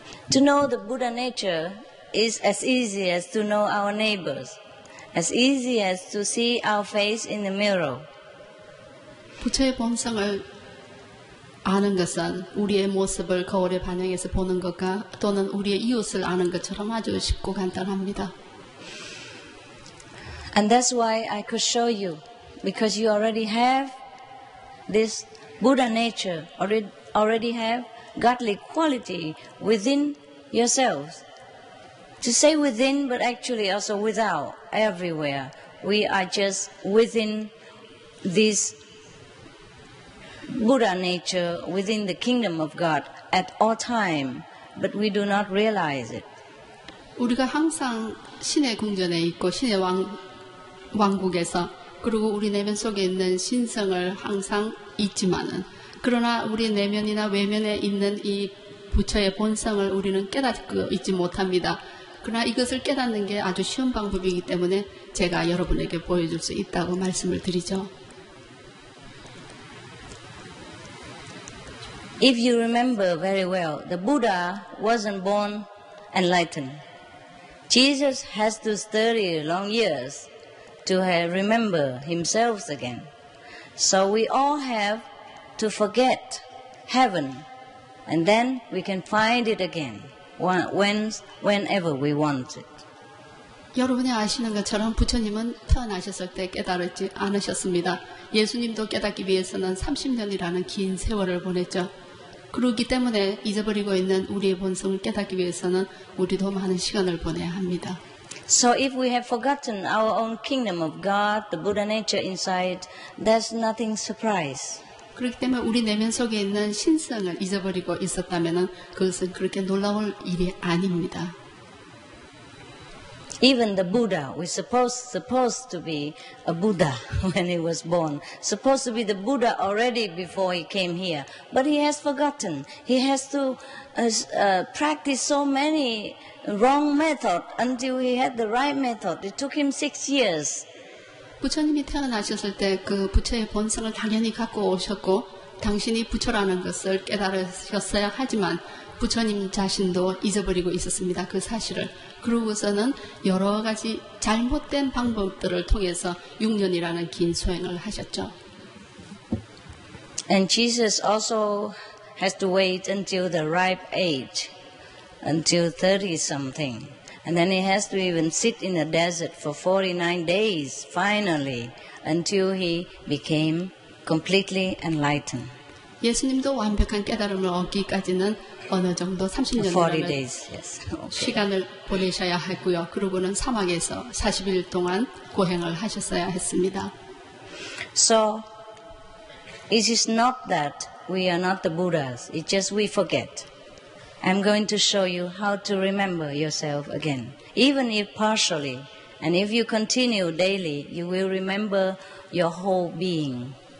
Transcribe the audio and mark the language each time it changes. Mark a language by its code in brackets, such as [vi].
[en] To know the Buddha nature is as easy as to know our neighbors, as easy as to see our face in the mirror. [ko] 부처의 본성을 아는 것은 우리의 모습을 거울에 반영해서 보는 것과 또는 우리의 이웃을 아는 것처럼 아주 쉽고 간단합니다. [en] And that's why I could show you, because you already have this Buddha nature, already have godly quality within yourselves. To say within, but actually also without, everywhere. We are just within this Buddha nature, within the kingdom of God at all time, but we do not realize it. [ko] 우리가 항상 신의 궁전에 있고 신의 왕국에서 그리고 우리 내면 속에 있는 신성을 항상 잊지만은 그러나 우리 내면이나 외면에 있는 이 부처의 본성을 우리는 깨닫고 있지 못합니다. 그러나 이것을 깨닫는 게 아주 쉬운 방법이기 때문에 제가 여러분에게 보여줄 수 있다고 말씀을 드리죠. [en] If you remember very well, the Buddha wasn't born enlightened. Jesus has to study long years to remember himself again. So we all have to forget heaven, and then we can find it again whenever we want it. [ko] 여러분이 아시는 것처럼 부처님은 태어나셨을 때 깨달았지 않으셨습니다. 예수님도 깨닫기 위해서는 30년이라는 긴 세월을 보냈죠. 그렇기 때문에 잊어버리고 있는 우리의 본성을 깨닫기 위해서는 우리도 많은 시간을 보내야 합니다. [en] So if we have forgotten our own kingdom of God, the Buddha nature inside, there's nothing surprise. [ko] 그렇기 때문에 우리 내면 속에 있는 신성을 잊어버리고 있었다면은 그것은 그렇게 놀라울 일이 아닙니다. [en] Even the Buddha was supposed to be a Buddha when he was born. Supposed to be the Buddha already before he came here. But he has forgotten. He has to practice so many wrong methods until he had the right method. It took him 6 years. [ko] 부처님이 태어나셨을 때 그 부처의 본성을 당연히 갖고 오셨고 당신이 부처라는 것을 깨달으셨어야 하지만 부처님 자신도 잊어버리고 있었습니다. 그 사실을. 그러고서는 여러 가지 잘못된 방법들을 통해서 6년이라는 긴 수행을 하셨죠. [en] And Jesus also has to wait until the ripe age, until 30-something. And then he has to even sit in the desert for 49 days, finally, until he became completely enlightened. [ko] 예수님도 완벽한 깨달음을 얻기까지는 어느 정도 30년이라는 시간을 보내셔야 했고요. 그러고는 사막에서 40일 동안 고행을 하셨어야 했습니다. [en] So, it is not that we are not the Buddhas. It's just we forget. I'm going to show you how to remember yourself again. Even if partially, and if you continue daily, you will remember your whole being.